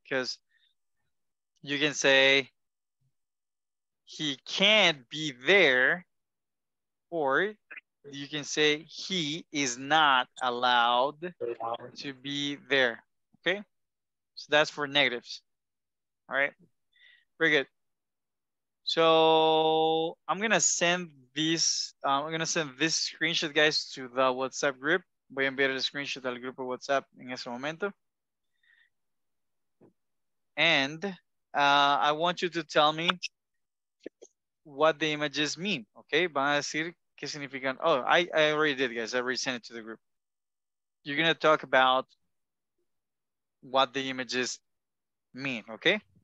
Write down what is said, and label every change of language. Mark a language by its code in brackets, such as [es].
[en] Because you can say he can't be there, or you can say he is not allowed to be there, okay? So that's for negatives, all right? Very good. So I'm gonna send this screenshot, guys, to the WhatsApp group. [es] Voy a enviar el screenshot al grupo WhatsApp en ese momento. [en] And I want you to tell me what the images mean, okay? [es] Van a decir, ¿qué significan? [en] Oh, I already did, guys. I already sent it to the group. You're gonna talk about what the images mean, okay?